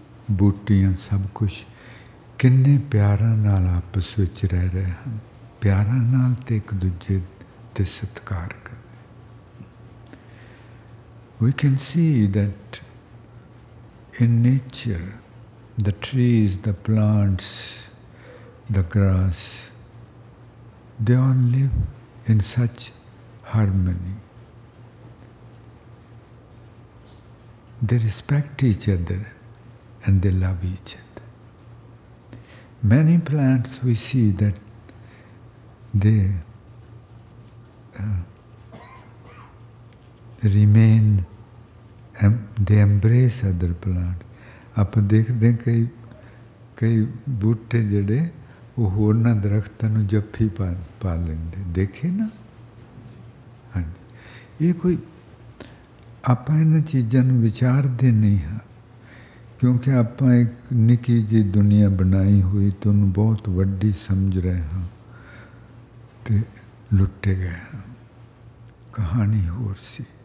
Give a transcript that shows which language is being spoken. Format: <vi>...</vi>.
<pa>ਬੂਟੀਆਂ ਸਭ ਕੁਛ ਕਿੰਨੇ ਪਿਆਰਾਂ ਨਾਲ ਆਪਸ ਵਿੱਚ ਰਹਿ ਰਹੇ ਹਨ ਪਿਆਰਾਂ ਨਾਲ ਤੇ ਇੱਕ ਦੂਜੇ ਦੇ ਸਤਿਕਾਰ ਕਰਦੇ</pa> <en>ਵੀ can see that in nature the trees the plants the grass They all live in such harmony. They respect each other and they love each other. Many plants we see that they remain, they embrace other plants.</en> <pa>Aap dekhde kai butte jade ਉਹ ਹੋਰਨਾਂ ਦਰਖਤਾਂ ਨੂੰ ਜੱਫੀ ਪਾ ਲੈਂਦੇ ਦੇਖੇ ਨਾ ਹਾਂਜੀ ਇਹ ਕੋਈ ਆਪਾਂ ਇਹਨਾਂ ਚੀਜ਼ਾਂ ਨੂੰ ਵਿਚਾਰਦੇ ਨਹੀਂ ਹਾਂ ਕਿਉਂਕਿ ਆਪਾਂ ਇੱਕ ਨਿੱਕੀ ਜਿਹੀ ਦੁਨੀਆ ਬਣਾਈ ਹੋਈ ਅਤੇ ਉਹਨੂੰ ਬਹੁਤ ਵੱਡੀ ਸਮਝ ਰਹੇ ਹਾਂ ਅਤੇ ਲੁੱਟੇ ਗਏ ਹਾਂ ਕਹਾਣੀ ਹੋਰ ਸੀ</pa>